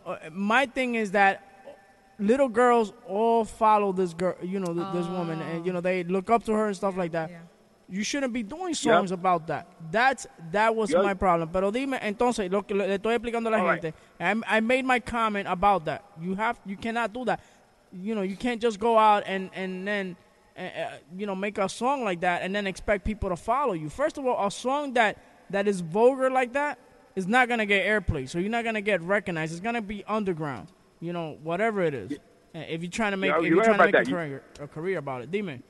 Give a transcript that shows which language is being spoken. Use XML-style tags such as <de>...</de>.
<en>My thing is that little girls all follow this girl, this woman, and they look up to her and stuff like that. Yeah. You shouldn't be doing songs about that. That was my problem.</en> <es>Pero dime, entonces, lo que le estoy explicando a la gente.</es> <en>I made my comment about that. You cannot do that. You can't just go out and then make a song like that and then expect people to follow you. First of all, a song that is vulgar like that is not going to get airplay. So you're not going to get recognized. It's going to be underground. Whatever it is, if you're trying to make a career about it, dime.</en>